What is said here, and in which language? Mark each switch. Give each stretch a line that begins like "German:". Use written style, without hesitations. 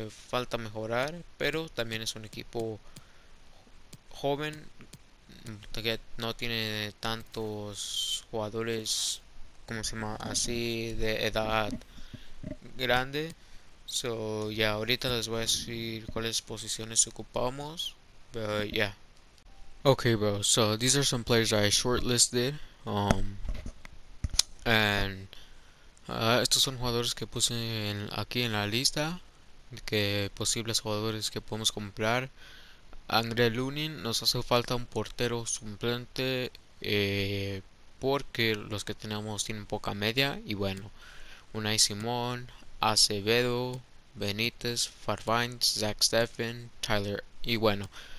Spanish: Falta mejorar, pero también es un equipo joven que no tiene tantos jugadores, ¿cómo se llama? Así de edad grande. So, ahorita les voy a decir cuáles posiciones ocupamos.
English: Pero Okay, bro, so these are some players I shortlisted.
Spanish: Estos son jugadores que puse aquí en la lista. Que posibles jugadores que podemos comprar. André Lunin, nos hace falta un portero suplente. Porque los que tenemos tienen poca media. Y bueno, Unai Simón, Acevedo, Benítez, Farfán, Zach Steffen, Tyler. Y bueno.